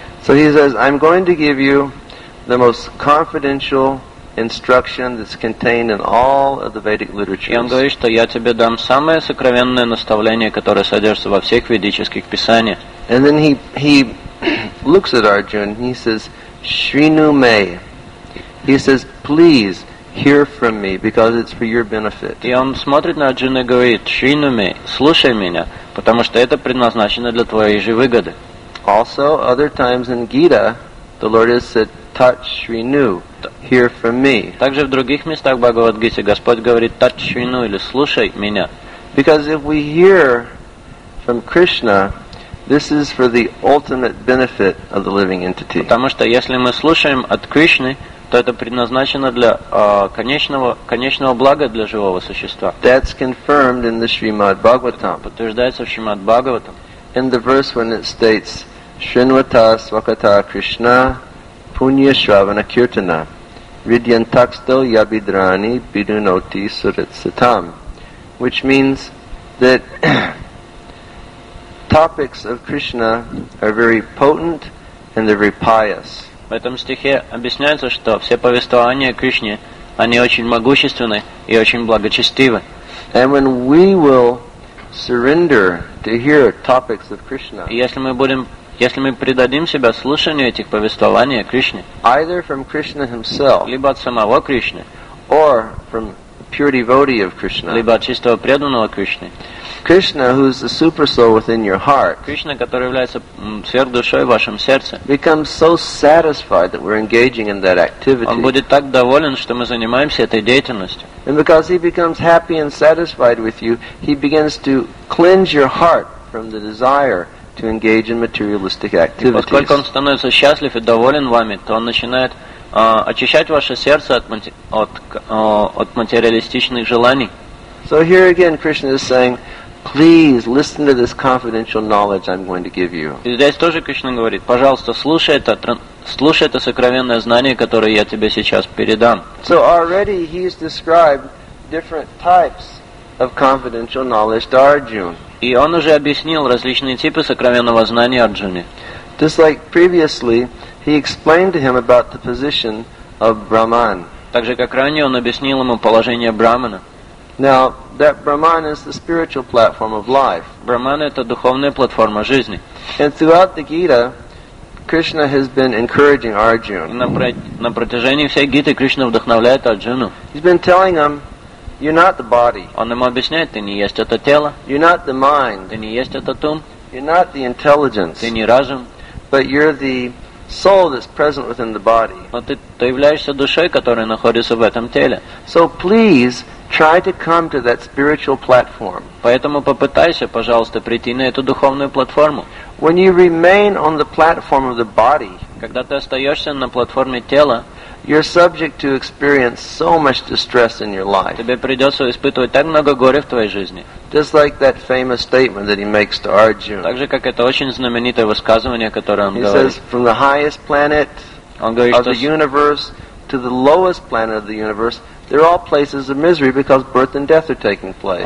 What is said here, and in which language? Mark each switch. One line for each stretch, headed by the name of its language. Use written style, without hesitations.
English: So he says, I'm going to give you the most confidential instruction that's contained in all of the Vedic literature.
Russian: И он говорит, что я тебе дам самое сокровенное наставление, которое содержится во всех ведических писаниях.
English: And then he looks at Arjuna and he says, Shrinu me. He says, please hear from me because it's for your benefit.
Russian: И он смотрит на Арджуну и говорит, Shrinu me, слушай меня, потому что это предназначено для твоей же выгоды.
English: Also, other times in Gita, the Lord has said, touch Shrinu, hear from me.
Russian: Также в других местах Бхагавад-гиты Господь говорит, touch Shrinu, или слушай меня.
English: Because if we hear from Krishna, this is for the ultimate benefit of the living entity.
Russian: Потому что если мы слушаем от Кришны, то это предназначено для конечного блага для живого существа.
English: That's confirmed in the Srimad Bhagavatam.
Russian: Подтверждается в Шримад Бхагаватам.
English: In the verse when it states,
Sanskrit: Shrinvata Svakata Krishna Punya Shravana Kirtana Vidyantaksto Yabhidrani Bidunoti Suritsitam,
English: which means that topics of Krishna are very potent and they're very pious.
Russian: В этом стихе объясняется, что все повествования о Кришне, они очень могущественны и очень благочестивы.
English: And when we will surrender to hear topics of Krishna,
Russian: если мы предадим себя слушанию этих повествований о Кришне,
English: either from Krishna himself,
Russian: либо от самого Кришны,
English: or from pure devotee of Krishna,
Russian: либо от чистого преданного Кришны,
English: Krishna, who is the super soul within your heart,
Russian: Krishna, который является сверхдушой в вашем сердце,
English: becomes so satisfied that we're engaging in that activity.
Russian: Он будет так доволен, что мы занимаемся этой деятельностью.
English: And because he becomes happy and satisfied with you, he begins to cleanse your heart from the desire to engage in materialistic activities.
Russian: И поскольку он становится счастлив и доволен вами, то он начинает очищать ваше сердце от материалистичных желаний.
English: So here again, Krishna is saying, please listen to this confidential knowledge I'm going to give you.
Russian: И здесь тоже Кришна говорит, пожалуйста, слушай это сокровенное знание, которое я тебе сейчас передам.
English: So already he's described different types of confidential knowledge to Arjuna.
Russian: И он уже объяснил различные типы сокровенного знания Арджуне.
English: Just like previously, he explained to him about the position of Brahman.
Russian: Также как ранее он объяснил ему положение Брахмана.
English: Now, that Brahman is the spiritual platform of life.
Russian: Brahman – это духовная платформа жизни.
English: And throughout the Gita, Krishna has been encouraging Arjuna.
Russian: На протяжении всей Гиты Кришна вдохновляет Арджуну.
English: He's been telling him, you're not the body.
Russian: Он ему объясняет, ты не есть это тело.
English: You're not the mind.
Russian: Ты не есть этот ум.
English: You're not the intelligence.
Russian: Ты не разум.
English: But you're the soul that's present within the body.
Russian: Но ты являешься душой, которая находится в этом теле.
English: So please, try to come to that spiritual platform.
Russian: Поэтому попытайся, пожалуйста, прийти на эту духовную платформу.
English: When you remain on the platform of the body,
Russian: когда ты остаешься на платформе тела,
English: you're subject to experience so much distress in your life.
Russian: Тебе придется испытывать так много горя в твоей жизни.
English: Just like that famous statement that he makes to Arjuna.
Russian: Так же, как это очень знаменитое высказывание, которое он говорит.
English: He says, from the highest planet of the universe to the lowest planet of the universe, they're all places of misery because birth and death are taking place.